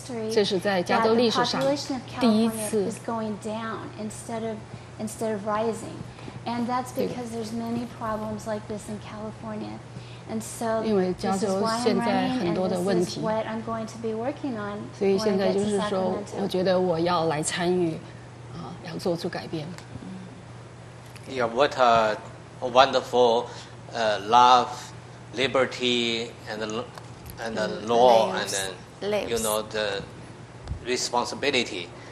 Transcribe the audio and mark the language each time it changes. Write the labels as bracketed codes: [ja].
[zh] 这是在加州历史上第一次。 [en] And that's because there's many problems like this in California. And so this is why I'm running, and this is what I'm going to be working on. [zh] 所以现在就是说，我觉得我要来参与，要做出改变。 [en] Yeah, what a wonderful, love, liberty, and the law, and then you know the responsibility.